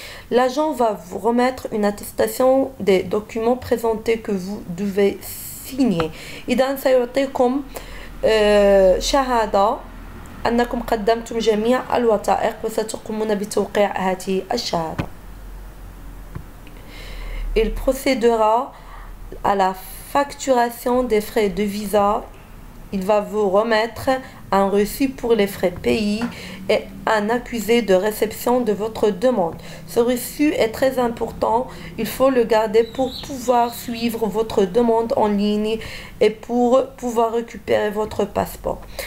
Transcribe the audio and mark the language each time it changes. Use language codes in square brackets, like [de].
[fr] L'agent va vous remettre une attestation des documents présentés que vous devez signer. [ar] إذن سيعطيكم شهادة أنكم قدمتم جميع الوثائق وستقومون بتوقيع هذه الشهادة. [fr] Il procédera à la facturation des frais de visa. Il va vous remettre un reçu pour les frais payés et un accusé de réception de votre demande. Ce reçu est très important. Il faut le garder pour pouvoir suivre votre demande en ligne et pour pouvoir récupérer votre passeport.